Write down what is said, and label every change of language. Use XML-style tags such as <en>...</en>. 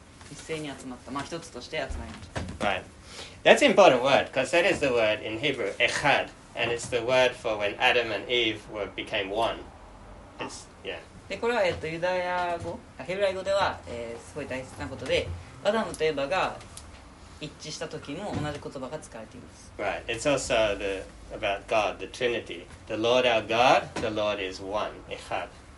<ja>一斉に集まった。まあ一つとして集まりました。</ja> <en>Right. That's an important word, because that is the word in Hebrew, echad, and it's the word for when Adam and Eve were, became one. It's, yeah.</en> <ja>で、これは、ユダヤ語、ヘブライ語では、すごい大切なことで、アダムとエバが一致した時も同じ言葉が使われています。</ja> <en>Right. It's also the, about God, the Trinity. The Lord our God, the Lord is one, echad.</en>